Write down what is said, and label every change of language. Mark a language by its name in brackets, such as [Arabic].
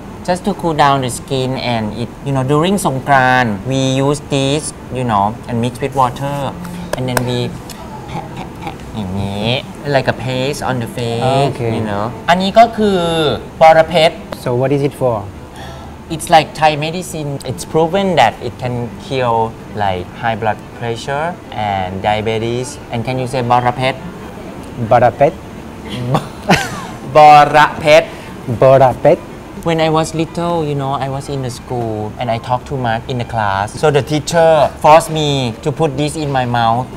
[English] Just to cool down the skin and it you know during Songkran we use this you know and mix with water and then we [Thai] อย่างนี้ [English] like a paste on the face okay. you know [Thai] อันนี้ก็คือปอระเพ็ด [English] so what is it for it's like Thai medicine it's proven that it can cure like high blood pressure and diabetes and can you say ปอระเพ็ด [Thai] ปอระเพ็ด ปอระเพ็ด ปอระเพ็ด [English] when I was little you know I was in the school and I talk too much in the class so the teacher forced me to put this in my mouth